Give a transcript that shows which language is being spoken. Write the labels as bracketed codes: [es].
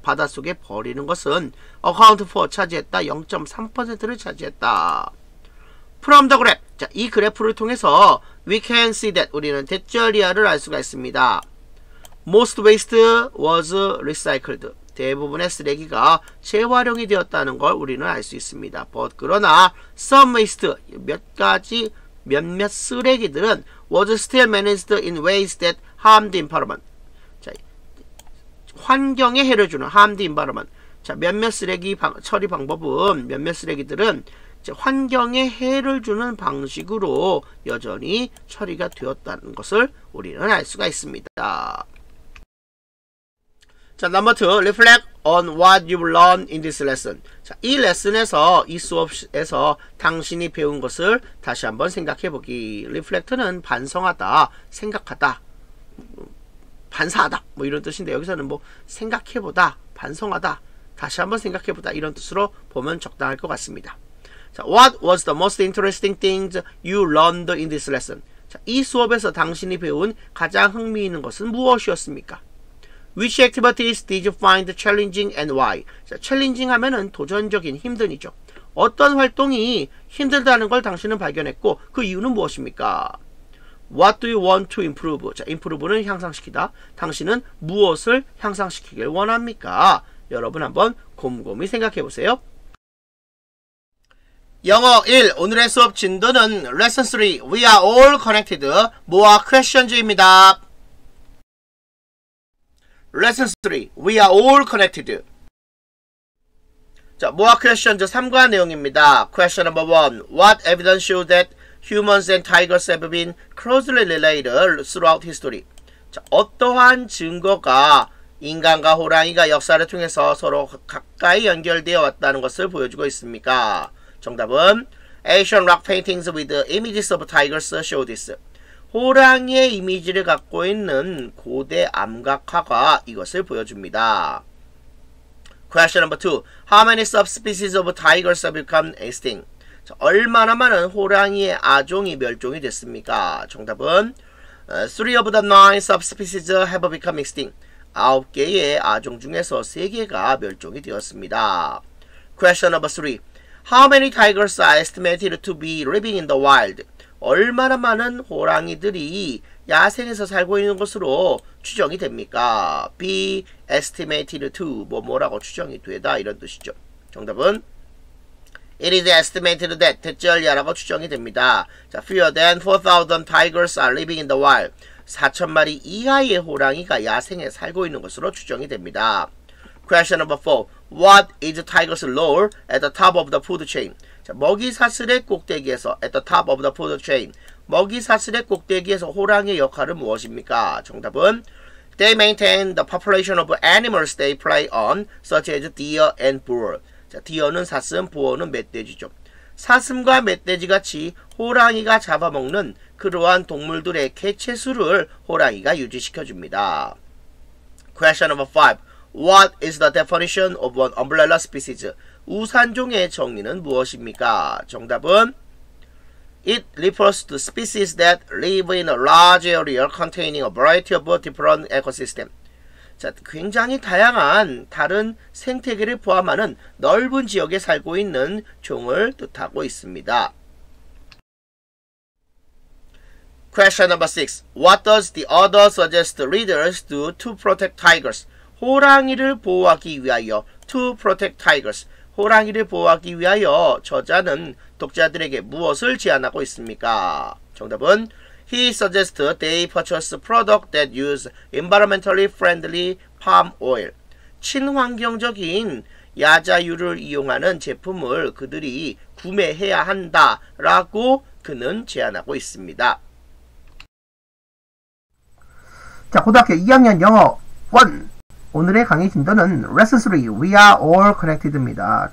[ko] 바다 속에 버리는 것은 [en] account for [ko] 차지했다. 0.3%를 차지했다. [en] From the graph. [ko] 자, 이 그래프를 통해서 [en] we can see that [ko] 우리는 that 절이야를 알 수가 있습니다. [en] Most waste was recycled. [ko] 대부분의 쓰레기가 재활용이 되었다는 걸 우리는 알 수 있습니다. [en] But [ko] 그러나 [en] some waste, [ko] 몇 가지 몇몇 쓰레기들은 [en] was still managed in ways that harmed the environment. [ko] 자, 환경에 해를 주는 [en] harmed the environment. [ko] 자, 몇몇 쓰레기 처리 방법은 몇몇 쓰레기들은 이제 환경에 해를 주는 방식으로 여전히 처리가 되었다는 것을 우리는 알 수가 있습니다. [en] 자, number two, reflect on what you've learned in this lesson. [ko] 자, 이 레슨에서, 이 수업에서 당신이 배운 것을 다시 한번 생각해 보기. reflect는 반성하다, 생각하다, 반사하다, 뭐 이런 뜻인데 여기서는 뭐 생각해 보다, 반성하다, 다시 한번 생각해 보다 이런 뜻으로 보면 적당할 것 같습니다. [en] 자, what was the most interesting things you learned in this lesson? [ko] 자, 이 수업에서 당신이 배운 가장 흥미있는 것은 무엇이었습니까? [en] Which activities did you find challenging and why? [ko] 자, challenging 하면은 도전적인 힘든이죠. 어떤 활동이 힘들다는 걸 당신은 발견했고 그 이유는 무엇입니까? [en] What do you want to improve? 자, improve는 [ko] 향상시키다. 당신은 무엇을 향상시키길 원합니까? 여러분 한번 곰곰이 생각해 보세요. 영어 1. 오늘의 수업 진도는 Lesson 3. [en] We are all connected. [ko] 모아 questions입니다. [en] Lesson 3. We are all connected. [ko] 자, 모아 퀘션즈 3과 내용입니다. [en] Question number 1. What evidence shows that humans and tigers have been closely related throughout history? [ko] 자, 어떠한 증거가 인간과 호랑이가 역사를 통해서 서로 가까이 연결되어 왔다는 것을 보여주고 있습니까? 정답은 [en] Asian rock paintings with images of tigers show this. [ko] 호랑이의 이미지를 갖고 있는 고대 암각화가 이것을 보여줍니다. [en] Question number 2. How many subspecies of tigers have become extinct? [ko] 자, 얼마나 많은 호랑이의 아종이 멸종이 됐습니까? 정답은 [en] 3 of the 9 subspecies have become extinct. [ko] 9개의 아종 중에서 3개가 멸종이 되었습니다. [en] Question number 3. How many tigers are estimated to be living in the wild? [ko] 얼마나 많은 호랑이들이 야생에서 살고 있는 것으로 추정이 됩니까? [en] Be estimated to [ko] 뭐뭐라고 추정이 되다 이런 뜻이죠. 정답은 [en] It is estimated that [ko] 대절이라고 추정이 됩니다. [en] 자, fewer than 4,000 tigers are living in the wild. [ko] 4,000마리 이하의 호랑이가 야생에 살고 있는 것으로 추정이 됩니다. [en] Question number 4. What is tiger's role at the top of the food chain? [ko] 자, 먹이사슬의 꼭대기에서 [en] at the top of the food chain [ko] 먹이사슬의 꼭대기에서 호랑이의 역할은 무엇입니까? 정답은 [en] They maintain the population of animals they prey on such as deer and boar. [ko] 자, deer는 사슴, boar는 멧돼지죠. 사슴과 멧돼지같이 호랑이가 잡아먹는 그러한 동물들의 개체수를 호랑이가 유지시켜줍니다. [en] Question number 5. What is the definition of an umbrella species? [ko] 우산종의 정의는 무엇입니까? 정답은 [en] It refers to species that live in a large area containing a variety of different ecosystems. [ko] 자, 굉장히 다양한 다른 생태계를 포함하는 넓은 지역에 살고 있는 종을 뜻하고 있습니다. [en] Question number 6. What does the author suggest readers do to protect tigers? [ko] 호랑이를 보호하기 위하여 [en] To protect tigers. [ko] 호랑이를 보호하기 위하여 저자는 독자들에게 무엇을 제안하고 있습니까? 정답은 [en] He suggests they purchase products that use environmentally friendly palm oil. [ko] 친환경적인 야자유를 이용하는 제품을 그들이 구매해야 한다라고 그는 제안하고 있습니다. 자, 고등학교 2학년 영어 1. 오늘의 강의 진도는 레슨 3, [en] We are all connected [ko] 입니다.